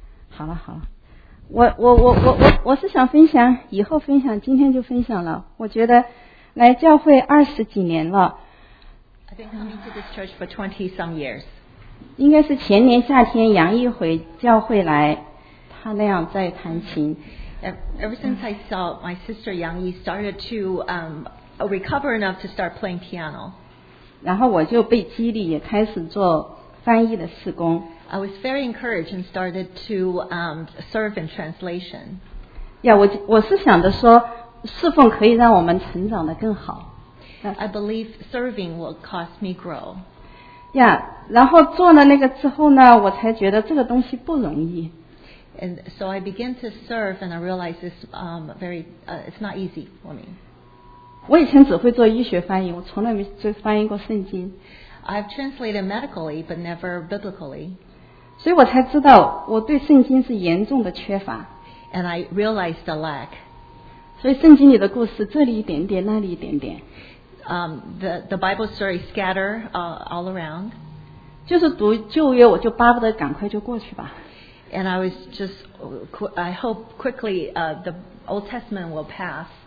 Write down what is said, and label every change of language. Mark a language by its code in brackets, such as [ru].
[zh] 好了好了，我是想分享，以后分享，今天就分享了。我觉得来教会二十几年了。 [en] I think I've been to this church for 20 some years. [zh] 应该是前年夏天杨毅回教会来，他那样在弹琴。 [en] Ever since I saw my sister Yang Yi started to recover enough to start playing piano. [zh] 然后我就被激励，也开始做翻译的事工。 [en] I was very encouraged and started to serve in translation. [zh] Yeah, 我是想着说，侍奉可以让我们成长得更好。 [en] I believe serving will cause me grow. [zh] Yeah, 然后做了那个之后呢，我才觉得这个东西不容易。 [en] And so I began to serve and I realized it's it's not easy for me. [zh] 我以前只会做医学翻译，我从来没做翻译过圣经。 [en] I've translated medically, but never biblically. [zh] 所以我才知道我对圣经是严重的缺乏。 [en] And I realized the lack. [zh] 所以圣经里的故事，这里一点点，那里一点点。 [en] The Bible story scatter all around. [zh] 就是读旧约，我就巴不得赶快就过去吧。 [en] And I was just, I hope quickly the Old Testament will pass.